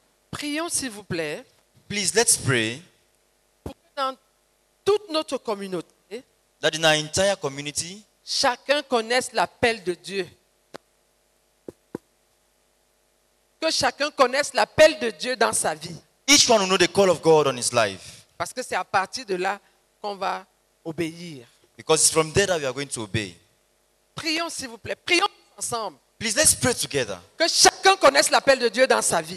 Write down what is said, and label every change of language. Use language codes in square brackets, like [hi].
[fr] prions, s'il vous plaît. [en] Please, let's pray. [fr] Pour que dans toute notre communauté, [en] that in our entire community, [fr] chacun connaisse l'appel de Dieu. Que chacun connaisse l'appel de Dieu dans sa vie. [en] Each one will know the call of God on his life. [fr] Parce que c'est à partir de là qu'on va obéir. [en] Because it's from there that we are going to obey. [fr] Prions, s'il vous plaît. Prions ensemble. [en] Please, let's pray together. [fr] Que chacun connaisse l'appel de Dieu dans sa vie.